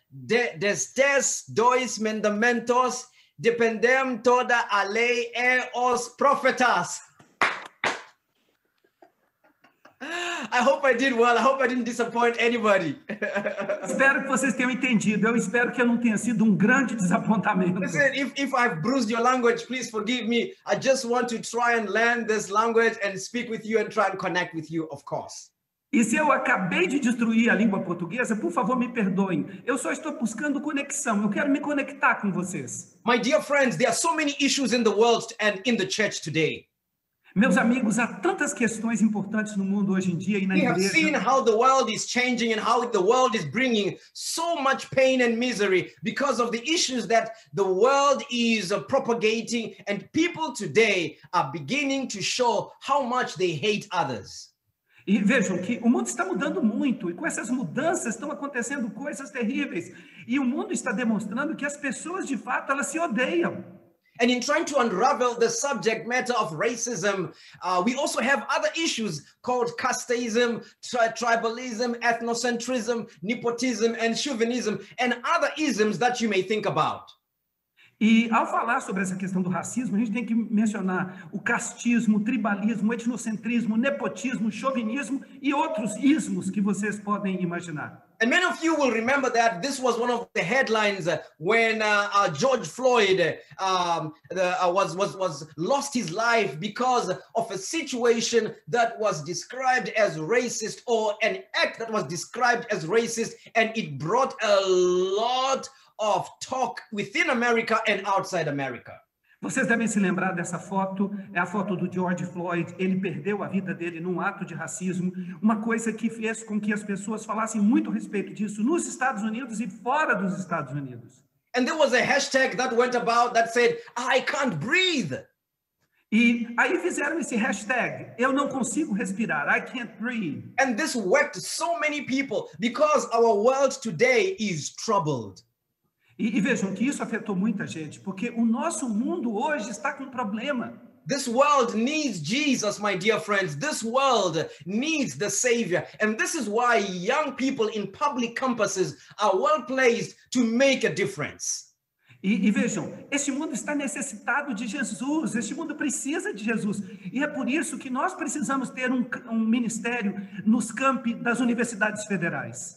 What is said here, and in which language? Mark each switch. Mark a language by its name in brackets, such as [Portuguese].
[Portuguese] Destes dois mandamentos dependem toda a lei e os profetas. [English] I hope I did well. I hope I didn't disappoint anybody. [Portuguese] Espero que vocês tenham entendido. Eu espero que eu não tenha sido um grande desapontamento. [English] Listen, if I've bruised your language, please forgive me. I just want to try and learn this language and speak with you and try and connect with you, of course. [Portuguese] E se eu acabei de destruir a língua portuguesa, por favor, me perdoem. Eu só estou buscando conexão. Eu quero me conectar com vocês. [English] My dear friends, there are so many issues in the world and in the church today. [Portuguese] Meus amigos, há tantas questões importantes no mundo hoje em dia e na igreja. [English] We have seen how the world is changing and how the world is bringing so much pain and misery because of the issues that the world is propagating, and people today are beginning to show how much they hate others. [Portuguese] E vejam que o mundo está mudando muito, e com essas mudanças estão acontecendo coisas terríveis, e o mundo está demonstrando que as pessoas, de fato, elas se odeiam. [English] And in trying to unravel the subject matter of racism, we also have other issues called casteism, tribalism, ethnocentrism, nepotism, and chauvinism, and other isms that you may think about. [Portuguese] E ao falar sobre essa questão do racismo, a gente tem que mencionar o castismo, o tribalismo, o etnocentrismo, o nepotismo, o chauvinismo e outros ismos que vocês podem imaginar. [English] And many of you will remember that this was one of the headlines when George Floyd was lost his life because of a situation that was described as racist or an act that was described as racist, and it brought a lot of talk within America and outside America. [Portuguese] Vocês devem se lembrar dessa foto, é a foto do George Floyd, ele perdeu a vida dele num ato de racismo, uma coisa que fez com que as pessoas falassem muito a respeito disso nos Estados Unidos e fora dos Estados Unidos. [English] And there was a hashtag that went about that said, I can't breathe. [Portuguese] E aí fizeram esse hashtag, eu não consigo respirar, [English] I can't breathe. And this wrecked so many people because our world today is troubled. [Portuguese] E vejam que isso afetou muita gente, porque o nosso mundo hoje está com problema. [English] This world needs Jesus, my dear friends. This world needs the Savior. And this is why young people in public campuses are well placed to make a difference. [Portuguese] E vejam, esse mundo está necessitado de Jesus, esse mundo precisa de Jesus. E é por isso que nós precisamos ter um ministério nos campi das universidades federais.